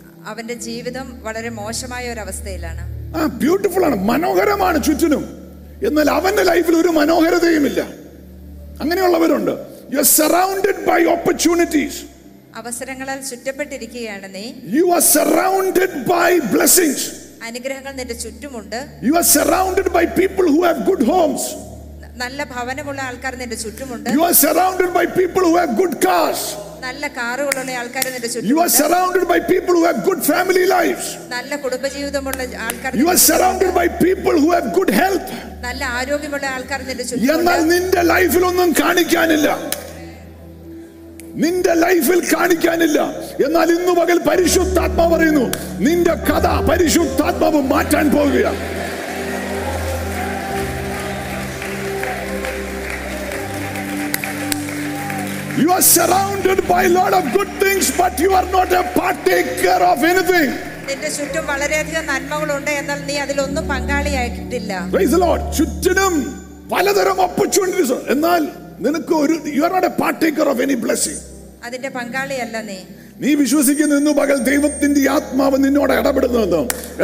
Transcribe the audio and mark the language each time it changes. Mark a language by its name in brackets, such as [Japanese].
[Malayalam] അവന്റെ ജീവിതം വളരെ മോശമായ ഒരു അവസ്ഥയിലാണ്. ആ ബ്യൂട്ടിഫുൾ ആണ്, മനോഹരമാണ് ചുറ്റിനും, എന്നാൽ അവന്റെ ലൈഫിൽ ഒരു മനോഹരതയും ഇല്ല. അങ്ങനെയുള്ളവരുണ്ട്. [English] You are surrounded by opportunities. [Malayalam] അവസരങ്ങളാൽ ചുറ്റപ്പെട്ടിരിക്കുകയാണ് നീ. [English] You are surrounded by blessings. [Malayalam] അനുഗ്രഹങ്ങൾ നിന്റെ ചുറ്റുമുണ്ട്. [English] You are surrounded by people who have good homes. [Malayalam] നല്ല ഭവനമുള്ള ആൾക്കാർ നിന്റെ ചുറ്റുമുണ്ട്. [English] You are surrounded by people who have good cars. [Malayalam] നല്ല കാറുകളുള്ള ആൾക്കാർ നിന്റെ ചുറ്റുമുണ്ട്. [English] You are surrounded by people who have good family lives. [Malayalam] നല്ല കുടുംബജീവിതമുള്ള ആൾക്കാർ. [English] You are surrounded by people who have good health. [Malayalam] നല്ല ആരോഗ്യമുള്ള ആൾക്കാർ നിന്റെ ചുറ്റുമുണ്ട്. എന്നാൽ നിന്റെ ലൈഫിൽ ഒന്നും കാണിക്കാനില്ല. നിന്റെ ലൈഫിൽ കാണിക്കാനില്ല. എന്നാൽ ഇന്ന് പകൽ പരിശുദ്ധാത്മാ പറയുന്നു, നിന്റെ കഥ പരിശുദ്ധാത്മാവ് മാറ്റാൻ പോവുകയാണ്. [English] You are surrounded by a lot of good things, but you are not a partaker of anything. [Malayalam] നിന്റെ ചുറ്റും വളരെയധികം നന്മകളുണ്ട്, എന്നാൽ നീ അതിലൊന്നും പങ്കാളിയായിട്ടില്ല. [English] Praise the Lord. [Malayalam] ചുറ്റിനും പലതരം [English] opportunities, [Malayalam] എന്നാൽ നിനക്ക് ഒരു, [English] you are not a partaker of any blessing. [Malayalam] അതിന്റെ പങ്കാളിയല്ല നീ. നീ വിശ്വസിക്കുന്നു ഇന്നു പകൽ ദൈവത്തിന്റെ ആത്മാവ് നിന്നോട് ഇടപെടുന്നുവെന്ന്.